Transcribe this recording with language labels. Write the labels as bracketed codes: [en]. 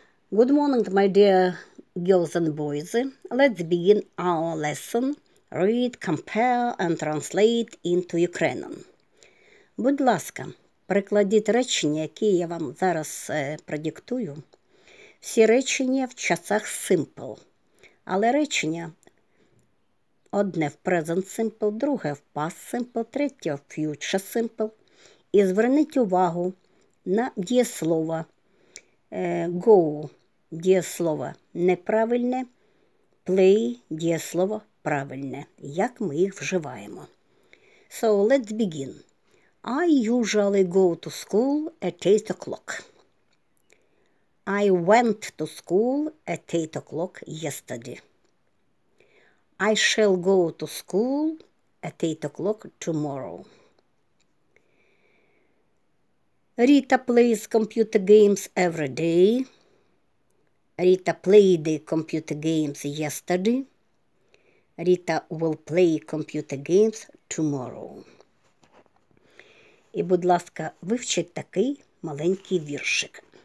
[en] Good morning, my dear girls and boys. Let's begin our lesson, read, compare and translate into Ukrainian. [uk] Будь ласка, перекладіть речення, які я вам зараз продиктую. Всі речення в часах simple, але речення одне в present simple, друге в past simple, третє в future simple. І зверніть увагу на дієслово go. Дієслово неправильне, play – дієслово правильне, як ми їх вживаємо. [en] So, let's begin. I usually go to school at 8 o'clock. I went to school at 8 o'clock yesterday. I shall go to school at 8 o'clock tomorrow. Rita plays computer games every day. Rita played computer games yesterday. Rita will play computer games tomorrow. [uk] І, будь ласка, вивчіть такий маленький віршик.